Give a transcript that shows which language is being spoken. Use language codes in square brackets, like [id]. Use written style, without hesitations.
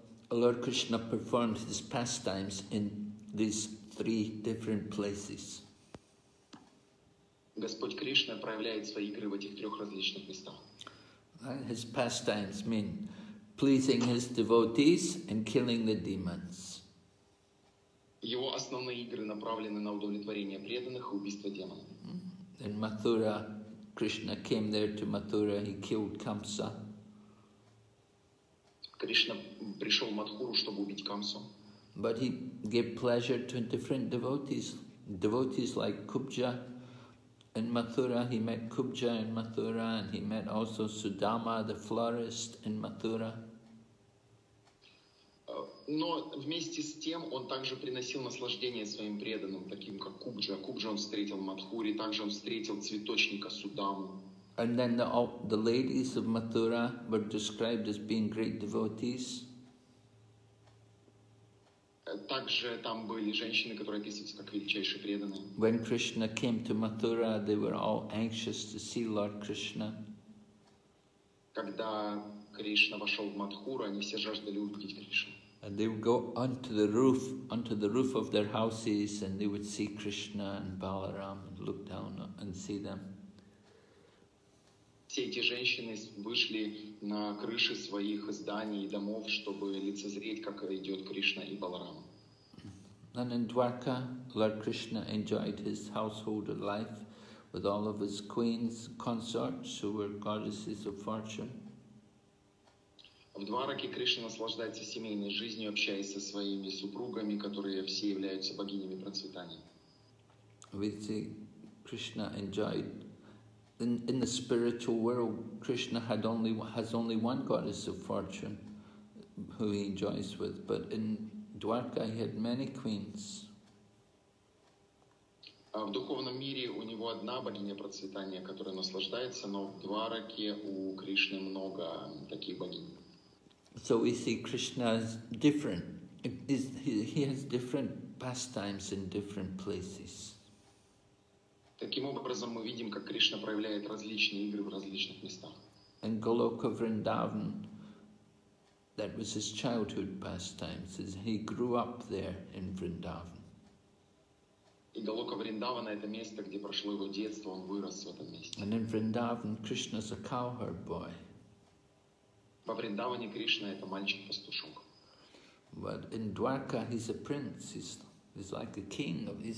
[en] Lord Krishna performed his pastimes in these three different places. [ru] Господь Кришна проявляет свои игры в этих трех различных местах. [en] His pastimes mean pleasing his devotees and killing the demons. [ru] Его основные игры направлены на удовлетворение преданных и убийство демонов. [en] In Mathura, Krishna came there to Mathura, he killed Kamsa. [ru] Кришна пришел в Мадхуру, чтобы убить Камсу. [en] But he gave pleasure to different devotees. Devotees like Kubja in Mathura. He met Kubja in Mathura, and he met also Sudama, the florist, in Mathura. [ru] Но вместе с тем он также приносил наслаждение своим преданным, таким как Кубджа. Кубджа он встретил в Мадхуре, также он встретил цветочника Судаму. [en] And then the ladies of Mathura were described as being great devotees. [ru] Также там были женщины, которые описываются как величайшие преданные. [en] When Krishna came to Mathura, they were all anxious to see Lord Krishna. [ru] Когда Кришна вошел в Мадхуру, они все жаждали увидеть Кришну. [en] And they would go onto the roof of their houses, and they would see Krishna and Balaram and look down and see them. [ru] Все эти женщины вышли на крыши своих зданий и домов, чтобы лицезреть, как идет Кришна и Баларама. [en] And in Dwarka, Lord Krishna enjoyed his household life with all of his queens, consorts, who were goddesses of fortune. [ru] В Двараке Кришна наслаждается семейной жизнью, общаясь со своими супругами, которые все являются богинями процветания. [en] We see Krishna enjoyed. In the spiritual world, Krishna has only one goddess of fortune who he enjoys with, but in Dwarka, he had many queens. [ru] В духовном мире у него одна богиня процветания, которая наслаждается, но в Двараке у Кришны много таких богинь. [en] So we see Krishna is different. He has different pastimes in different places. [ru] Таким образом, мы видим, как Кришна проявляет различные игры в различных местах. [en] And Goloka Vrindavan, that was his childhood pastime, says he grew up there in Vrindavan. [ru] И Голока Вриндавана — это место, где прошло его детство, он вырос в этом месте. [en] And in Vrindavan, Krishna's a cowherd boy. [ru] Во Вриндаване Кришна — это мальчик-пастушок. [en] But in Dwarka, he's a prince. He's like a king.